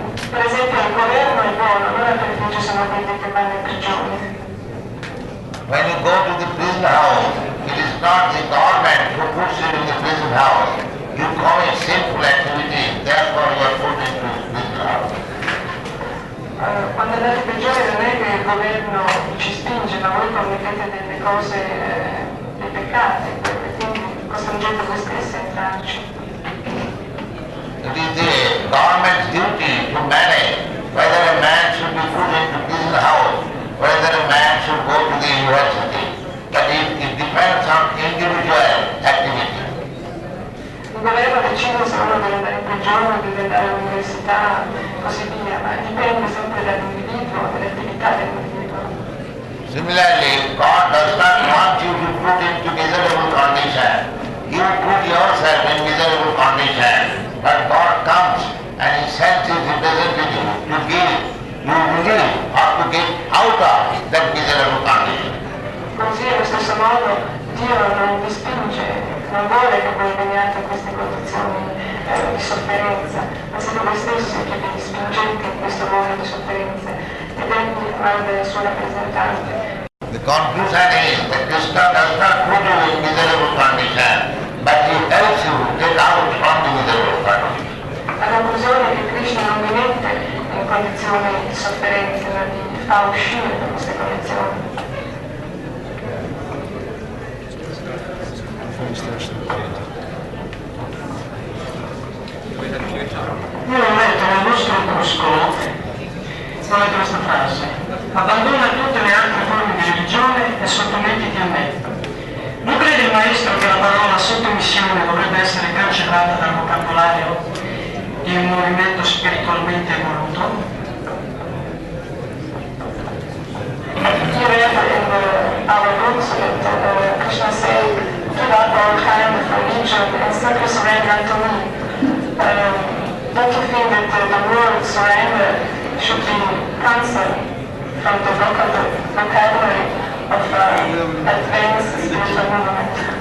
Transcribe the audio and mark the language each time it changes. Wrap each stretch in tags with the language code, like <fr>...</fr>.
<it>Per esempio il governo è buono, allora perché ci sono quelli che vanno in prigione?</it> <en>When you go to the prison house, it is not the government who puts you in the prison house. You commit sinful activity, therefore you are put into the prison house.</en> <it>Quando andate in prigione non è che il governo ci spinge, ma voi commettete delle cose, dei peccati, quindi costringete voi stessi a entrarci.</it> <en>It is the government's duty to manage whether a man should be put into prison house, whether a man should go to the university. But it depends on individual activity.</en> <it>Il governo decide se uno deve andare in prigione, deve andare all'università, così via, ma dipende sempre dall'individuo, dall'attività dell'individuo.</it> <en>Similarly, God does not want you to put into miserable condition. You put yourself in miserable condition. But God comes and He sends His representative to give you relief or to get out of that miserable condition.</en> <it>Così, allo stesso modo, Dio non vi spinge, non vuole che voi veniate in queste condizioni di sofferenza, ma siete voi stessi che vi spingete in questo mondo di sofferenza ed egli manda il suo rappresentante.</it> <en>The conclusion is that Krishna does not put you in miserable condition, but he helps you get out from the miserable condition.</en> <it>La conclusione è che Krishna non mi mette in condizioni di sofferenza, ma mi fa uscire da queste condizioni. Io lo metto nel vostro muscolo, come questa frase, abbandona tutte le altre forme di religione e sottomettiti a me. Non crede il maestro che la parola sottomissione dovrebbe essere cancellata dal vocabolario di un movimento spiritualmente evoluto?</it> <en>Here we have in our books that Krishna say, give up all kind of religion and simply surrender to me. Don't you think that the word surrender should be cancelled from the vocabulary of advanced spiritual movement?</en>